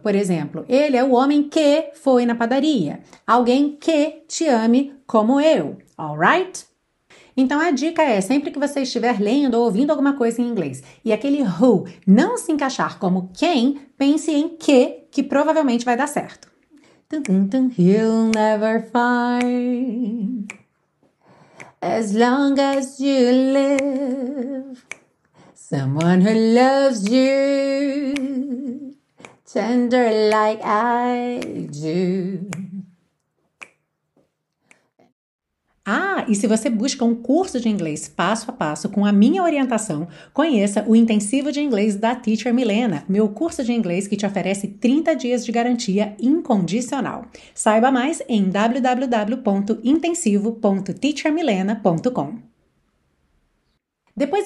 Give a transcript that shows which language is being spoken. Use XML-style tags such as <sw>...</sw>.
<pt>Por exemplo, ele é o homem que foi na padaria. Alguém que te ame como eu,</pt> <en>all right?</en> <pt>Então, a dica é, sempre que você estiver lendo ou ouvindo alguma coisa em inglês e aquele who não se encaixar como quem, pense em que provavelmente vai dar certo.</pt> <en>You'll never find as long as you live someone who loves you tender like I do.</en> <pt>Ah, e se você busca um curso de inglês passo a passo com a minha orientação, conheça o Intensivo de Inglês da Teacher Milena, meu curso de inglês que te oferece 30 dias de garantia incondicional. Saiba mais em www.intensivo.teachermilena.com. Depois</pt>